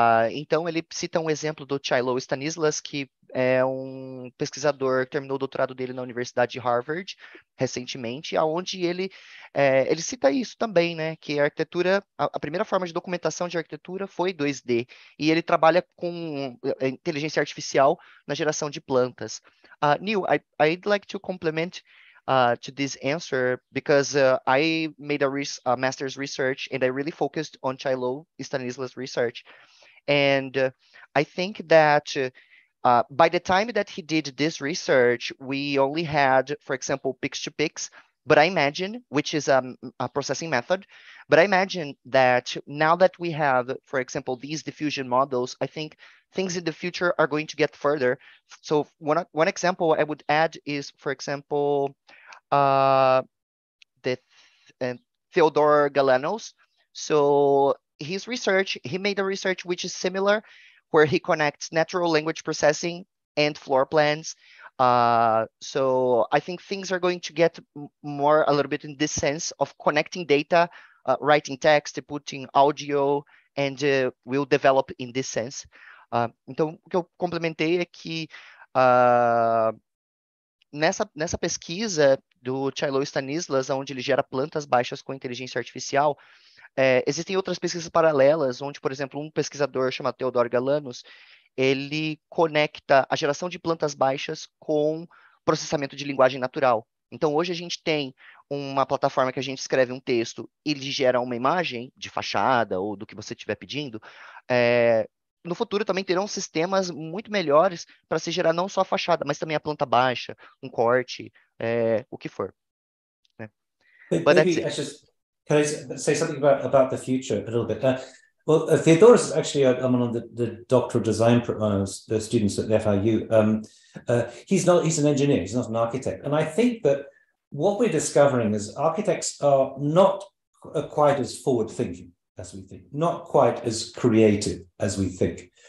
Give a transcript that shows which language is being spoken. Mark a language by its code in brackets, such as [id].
[pt] Então, ele cita um exemplo do Chailo Stanislas, que é um pesquisador que terminou o doutorado dele na Universidade de Harvard, recentemente, onde ele cita isso também, né? Que a arquitetura, a primeira forma de documentação de arquitetura foi 2D, e ele trabalha com inteligência artificial na geração de plantas. [en] Neil, I'd like to complement to this answer, because I made a master's research and I really focused on Chailo Stanislas' research. And I think that by the time that he did this research, we only had, for example, pics-to-pics, but I imagine, which is a processing method, but I imagine that now that we have, for example, these diffusion models, I think things in the future are going to get further. So one example I would add is, for example, Theodore Galanos. So his research, he made a research which is similar, where he connects natural language processing and floor plans. So I think things are going to get more a little bit in this sense of connecting data, writing text, putting audio, and we'll develop in this sense. [pt] Então, o que eu complementei é que nessa pesquisa do Chailo Stanislas, onde ele gera plantas baixas com inteligência artificial, Existem outras pesquisas paralelas, onde, por exemplo, um pesquisador chamado Teodoro Galanos, ele conecta a geração de plantas baixas com processamento de linguagem natural. Então, hoje a gente tem uma plataforma que a gente escreve um texto e ele gera uma imagem de fachada ou do que você estiver pedindo. No futuro também terão sistemas muito melhores para se gerar não só a fachada, mas também a planta baixa, um corte, o que for. [en] But maybe that's it. Can I say something about the future a little bit? Well, Theodorus is actually, I'm one of the doctoral design students at FIU. He's an engineer, he's not an architect. And I think that what we're discovering is architects are not quite as forward thinking as we think, not quite as creative as we think.